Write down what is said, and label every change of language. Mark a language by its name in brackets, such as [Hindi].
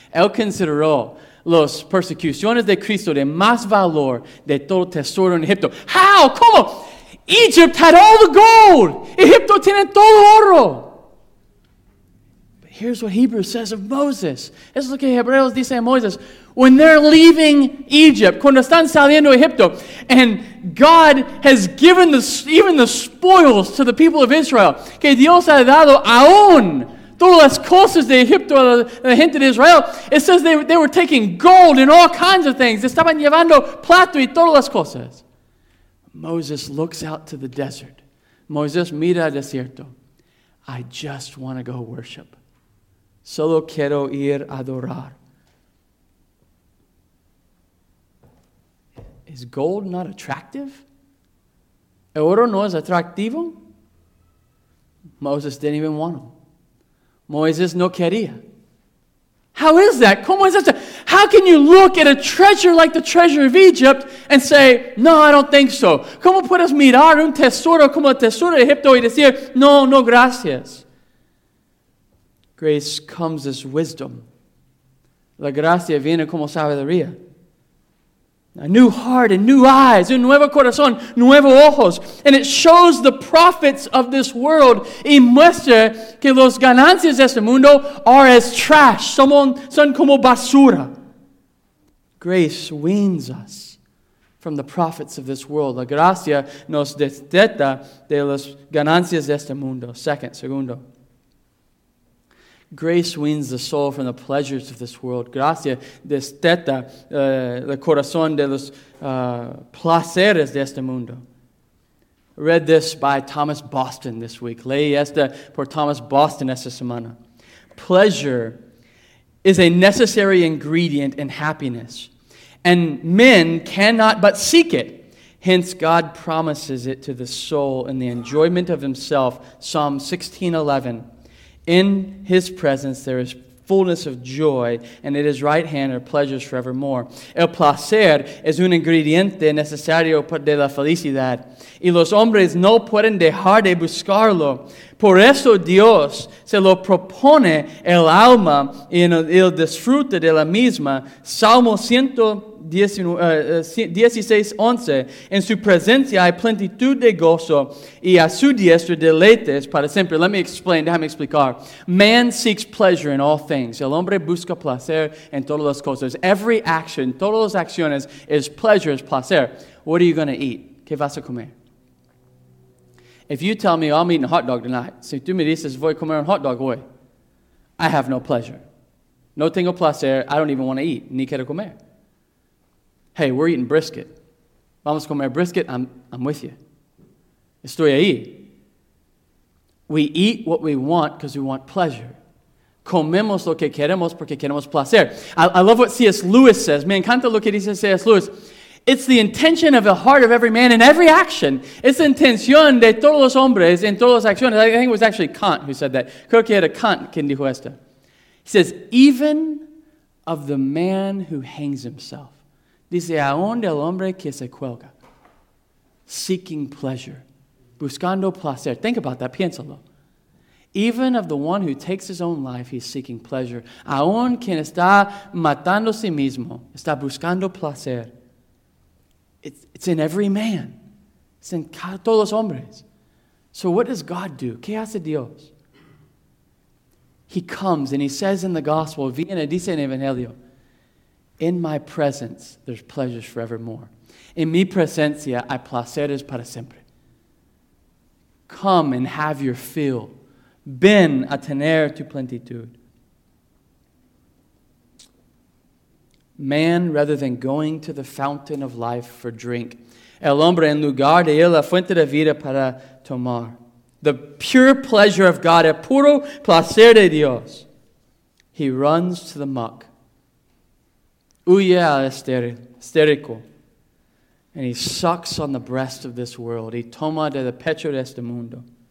[Spanish] Él consideró las persecuciones de Cristo de más valor de todo tesoro en Egipto. [English] How? [Spanish] ¿Cómo? [English] Egypt had all the gold. [Spanish] Egipto tiene todo oro. [English] But here's what Hebrews says of Moses. [Spanish] Es lo que Hebreos dice a Moses. [English] When they're leaving Egypt, [Spanish] cuando están saliendo Egipto, [English] and God has given even the spoils to the people of Israel, [Spanish] que Dios ha dado aún todas las cosas de Egipto a la gente de Israel, [English] it says they were taking gold and all kinds of things. [Spanish] Estaban llevando plata y todas las cosas. [English] Moses looks out to the desert. [Spanish] Moses mira al desierto. [English] I just want to go worship. [Spanish] Solo quiero ir a adorar. [English] Is gold not attractive? [Spanish] ¿El oro no es atractivo? [English] Moses didn't even want them. [Spanish] Moses no quería. [English] How is that? [Spanish] ¿Cómo es eso? [English] How can you look at a treasure like the treasure of Egypt and say, no, I don't think so? [Spanish] ¿Cómo puedes mirar un tesoro como el tesoro de Egipto y decir, no, no, gracias? [English] Grace comes as wisdom. [Spanish] La gracia viene como sabiduría. [English] A new heart and new eyes, [Spanish] un nuevo corazón, nuevo ojos. [English] And it shows the profits of this world [Spanish] y muestra que los ganancias de este mundo [English] are as trash, [Spanish] son como basura. [English] Grace weans us from the profits of this world. [Spanish] La gracia nos desteta de las ganancias de este mundo. Segundo. [English] Grace weans the soul from the pleasures of this world. [Spanish] Gracia desteta el corazón de los placeres de este mundo. [English] I read this by Thomas Boston this week. [Spanish] Leí esta por Thomas Boston esta semana. [English] Pleasure is a necessary ingredient in happiness, and men cannot but seek it. Hence, God promises it to the soul in the enjoyment of himself, Psalm 16:11. In his presence there is fullness of joy, and at his right hand are pleasures forevermore. [Spanish] El placer es un ingrediente necesario de la felicidad, y los hombres no pueden dejar de buscarlo. Por eso Dios se lo propone el alma y el disfrute de la misma. Salmo 116:11. En su presencia hay plenitud de gozo y a su diestra deleites para siempre. [English] Let me explain. [Spanish] Déjame explicar. [English] Man seeks pleasure in all things. El hombre busca placer en todas las cosas. Every action, [Spanish] todas las acciones [English] is pleasure, is placer. What are you going to eat? [Spanish] ¿Qué vas a comer? [English] If you tell me, oh, I'm eating a hot dog tonight, [Spanish] si tú me dices, voy a comer un hot dog hoy, [English] I have no pleasure. [Spanish] No tengo placer, [English] I don't even want to eat, [Spanish] ni quiero comer. [English] Hey, we're eating brisket. [Spanish] Vamos a comer brisket, [English] I'm with you. [Spanish] Estoy ahí. [English] We eat what we want because we want pleasure. [Spanish] Comemos lo que queremos porque queremos placer. [English] I love what C.S. Lewis says. [Spanish] Me encanta lo que dice C.S. Lewis. [English] It's the intention of the heart of every man in every action. It's the [Spanish] intención de todos los hombres en todas las acciones. [English] I think it was actually Kant who said that. [Spanish] Creo que era Kant quien dijo esto. [English] He says, even of the man who hangs himself. [Spanish] Dice, aún del hombre que se cuelga. [English] Seeking pleasure. [Spanish] Buscando placer. [English] Think about that. [Spanish] Piénsalo. [English] Even of the one who takes his own life, he's seeking pleasure. [Spanish] Aún quien está matando a sí mismo, está buscando placer. [English] It's in [Spanish] every man. It's in todos los hombres. [English] So what does God do? [Spanish] ¿Qué hace Dios? [English] He comes and he says in the gospel, [Spanish] viene, dice en Evangelio, [English] in my presence, there's pleasures forevermore. [Spanish] En mi presencia, hay placeres para siempre. [English] Come and have your fill. [Spanish] Ven a tener tu plenitud. [English] Man, rather than going to the fountain of life for drink. [Spanish] El hombre, en lugar de ir a la fuente de vida para tomar. [English] The pure pleasure of God, [Spanish] el puro placer de Dios. [English] He runs to the muck. [Spanish] Huye al estérico. [English] And he sucks on the breast of this world. [Spanish] He toma de la pecho de este mundo.